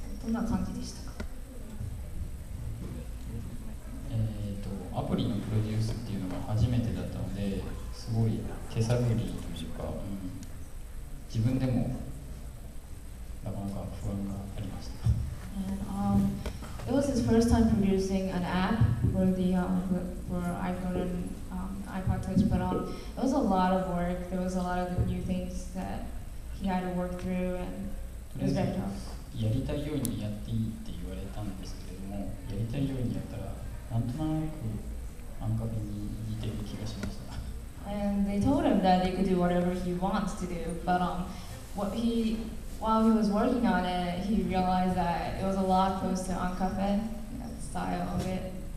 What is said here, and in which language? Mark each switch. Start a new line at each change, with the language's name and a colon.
Japanese: どんな感じでしたか？アプリのプロデュースっていうのが初めてだったので、すごい手探りというか、自分でもなかなか不安がありました。
English: And, it was his first time producing an app for the for iPhone and iPod Touch, but it was a lot of work. There was a lot of new things that he had to work through, and it was very tough.
Japanese: やりたいようにやっていいって言われたんですけれども、やりたいようにやったらなんとなくアンカフェに似てる気がしました。
English: And they told him that they could do whatever he wants to do, but while he was working on it, he realized that it was a lot close to アンカフェ, the style of it.